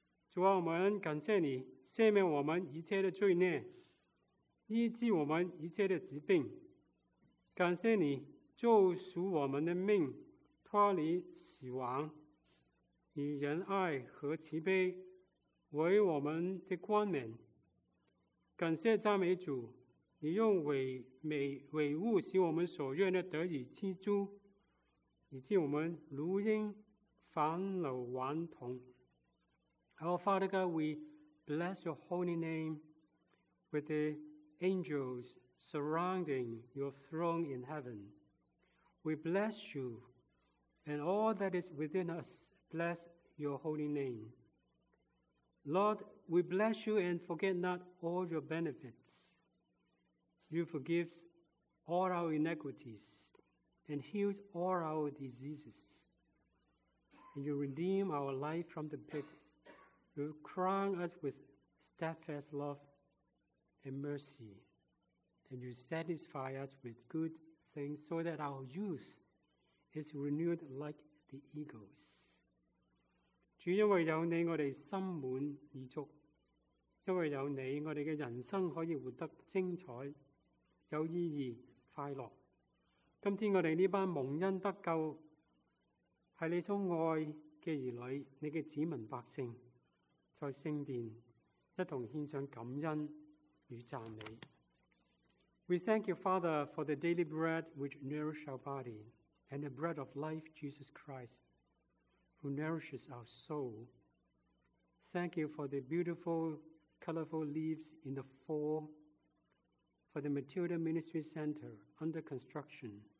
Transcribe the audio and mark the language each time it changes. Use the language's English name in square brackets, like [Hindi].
[Chinese] 主啊，我们感谢你赦免我们一切的罪孽，医治我们一切的疾病，感谢你救赎我们的命，脱离死亡，以仁爱和慈悲为我们的冠冕。感谢赞美主，你用伟物使我们所愿的得以居住，以致我们如因返老还童。 [English] Our Father God, we bless your holy name with the angels surrounding your throne in heaven. We bless you and all that is within us, bless your holy name. Lord, we bless you and forget not all your benefits. You forgive all our iniquities and heal all our diseases. And you redeem our life from the pit. You crown us with steadfast love and mercy. And you satisfy us with good things so that our youth is renewed like the eagles. [Chinese] 主，因为有你，我们心满意足。因为有你，我们的人生可以活得精彩、有意义、快乐。今天我们这班蒙恩得救、是你所爱的儿女、你的子民百姓，在圣殿一同献上感恩与赞美。 [English] We thank you, Father, for the daily bread which nourishes our body, and the bread of life, Jesus Christ, who nourishes our soul. Thank you for the beautiful, colorful leaves in the fall, for the Matilda Ministry Center under construction.